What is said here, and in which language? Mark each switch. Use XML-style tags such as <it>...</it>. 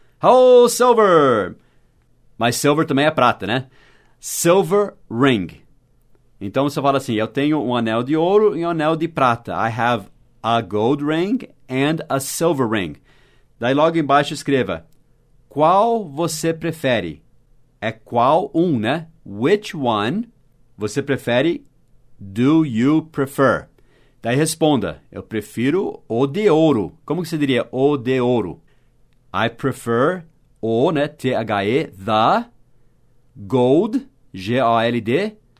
<pt>Oh, Silver! Mas Silver também é prata, né? Silver ring. Então, você fala assim, eu tenho um anel de ouro e um anel de prata.</pt> <en>I have a gold ring and a silver ring.</en> <pt>Daí, logo embaixo, escreva, qual você prefere? É qual um, né? Which one você prefere?</pt> <en>Do you prefer?</en> <pt>Daí responda, eu prefiro o de ouro. Como que você diria o de ouro?</pt> <en>I prefer</en> <pt>o, né, T-H-E, the gold, G-O-L-D.</pt>